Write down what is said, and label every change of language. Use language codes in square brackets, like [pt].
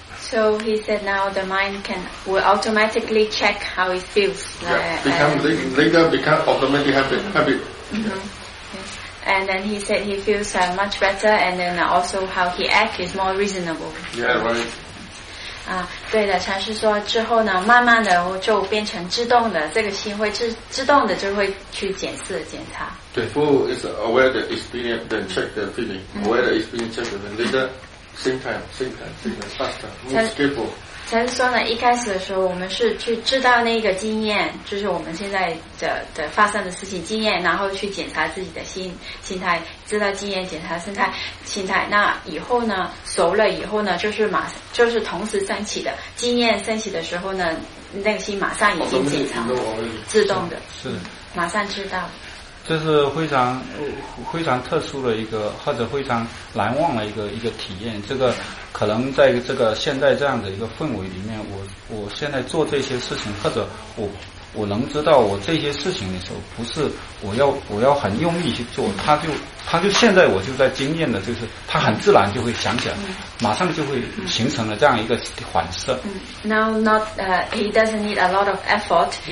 [en] So he said now the mind will automatically check how it feels. Yeah, become automatically happy. Mm-hmm. And then he said he feels much better, and then also how he acts is more reasonable. Yeah, right. [zh] 对的，禅师说之后呢，慢慢的就变成自动的，这个心会自动的就会去检查。 [en] 对 ，full is aware the experience, then check the feeling. Aware the experience, check the feeling. Later, same time, faster, more skillful. [zh] 禅师说呢，一开始的时候我们是去知道那个经验，就是我们现在的发生的事情经验，然后去检查自己的心态，知道经验，检查心态。那以后呢，熟了以后呢，就是同时升起的经验升起的时候呢，那个心马上已经检查，自动的，是马上知道。这是非常非常特殊的一个，或者非常难忘的一个体验。这个可能在这个现在这样的一个氛围里面，我现在做这些事情，或者我能知道我这些事情的时候，不是我要很用力去做，他就现在我就在经验的，就是他很自然就会想起来，马上就会形成了这样一个反射。 [en] Now not he doesn't need a lot of effort.